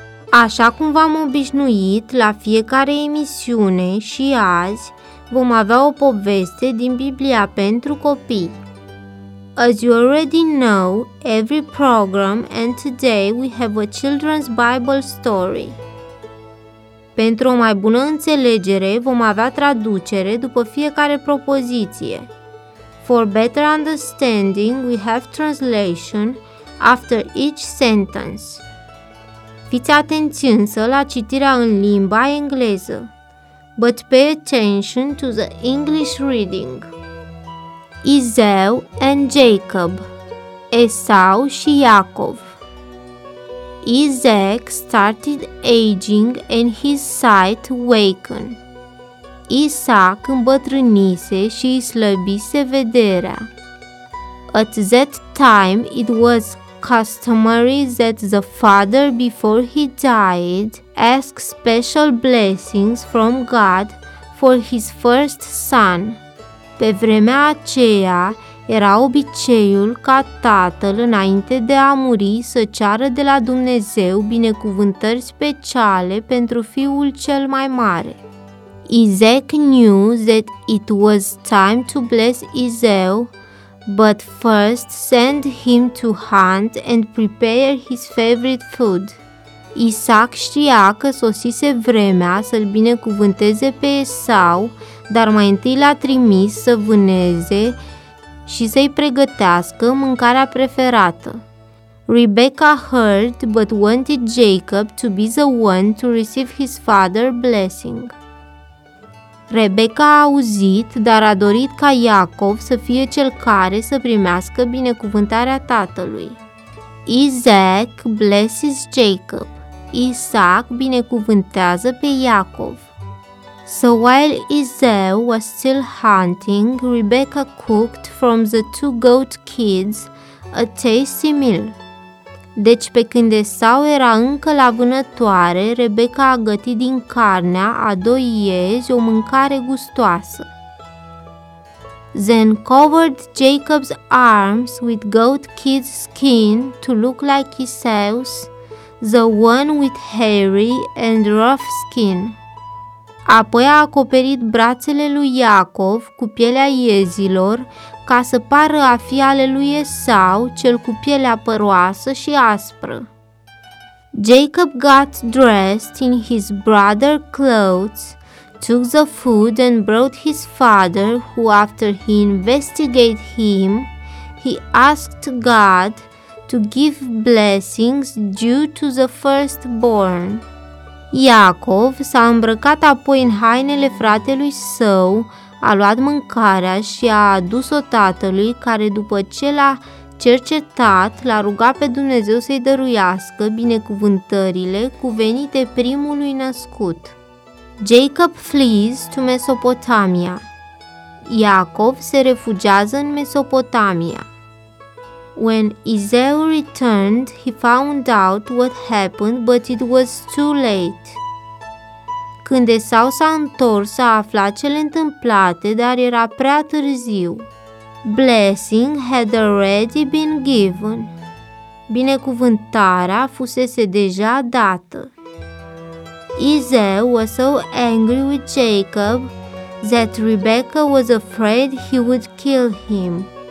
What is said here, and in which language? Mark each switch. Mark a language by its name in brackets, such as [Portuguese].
[Romanian] Așa cum v-am obișnuit la fiecare emisiune și azi, vom avea o poveste din Biblia pentru copii. [English] As you already know, every program and today we have a children's Bible story. [Romanian] Pentru o mai bună înțelegere, vom avea traducere după fiecare propoziție. [English] For better understanding, we have translation after each sentence. [Romanian] Fiți atenți însă la citirea în limba engleză. [English] But pay attention to the English reading. Esau and Jacob. [Romanian] Esau și Iacov. [English] Isaac started aging and his sight weakened. [Romanian] Isaac îmbătrânise și îi slăbise vederea. [English] At that time it was customary that the father, before he died, asked special blessings from God for his first son. [Romanian] Pe vremea aceea, era obiceiul ca tatăl, înainte de a muri, să ceară de la Dumnezeu binecuvântări speciale pentru fiul cel mai mare. [English] Isaac knew that it was time to bless Esau, but first send him to hunt and prepare his favorite food. [Romanian] Isaac știa că sosise vremea să-l binecuvânteze pe Esau, dar mai întâi l-a trimis să vâneze și să-i pregătească mâncarea preferată. [English] Rebecca heard but wanted Jacob to be the one to receive his father's blessing. [Romanian] Rebecca a auzit, dar a dorit ca Iacov să fie cel care să primească binecuvântarea tatălui. [English] Isaac blesses Jacob. [Romanian] Isaac binecuvântează pe Iacov. [English] So while Esau was still hunting, Rebecca cooked from the two goat kids a tasty meal. [Romanian] Deci pe când Esau era încă la vânătoare, Rebecca a gătit din carnea a doi iezi o mâncare gustoasă. [English] Then covered Jacob's arms with goat kid skin to look like Esau's, the one with hairy and rough skin. [Romanian] Apoi a acoperit brațele lui Iacov cu pielea iezilor, ca să pară a fi ale lui Esau, cel cu pielea păroasă și aspră. [English] Jacob got dressed in his brother clothes, took the food and brought his father, who after he investigated him, he asked God to give blessings due to the firstborn. [Romanian] Iacov s-a îmbrăcat apoi în hainele fratelui său, a luat mâncarea și a adus-o tatălui, care după ce l-a cercetat, l-a rugat pe Dumnezeu să-i dăruiască binecuvântările cuvenite primului născut. [English] Jacob flees to Mesopotamia. [Romanian] Iacov se refugiază în Mesopotamia. [English] When Esau returned, he found out what happened, but it was too late. [Romanian] Când Esau s-a întors, a aflat cele întâmplate, dar era prea târziu. [English] Blessing had already been given. [Romanian] Binecuvântarea fusese deja dată. [English] Esau was so angry with Jacob that Rebecca was afraid he would kill him.